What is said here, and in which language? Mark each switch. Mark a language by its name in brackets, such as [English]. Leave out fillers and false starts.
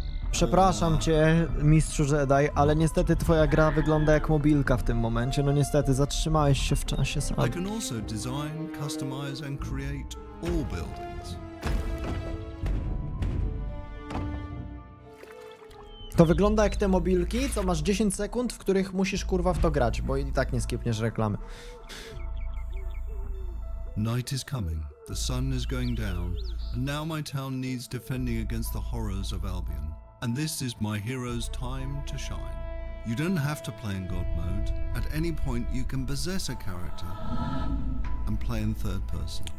[Polish] Przepraszam cię, mistrzu Jedi, ale niestety twoja gra wygląda jak mobilka w tym momencie. No niestety, zatrzymałeś się w czasie sam. [English] I can also design, customize and create all buildings. [Polish] To wygląda jak te mobilki, to masz 10 sekund, w których musisz kurwa w to grać, bo i tak nie skipniesz reklamy. [English] Night is coming, the sun is going down, and now my town needs defending against the horrors of Albion. And this is my hero's time to shine. You don't have to play in God mode. At any point you can possess a character and play in third person.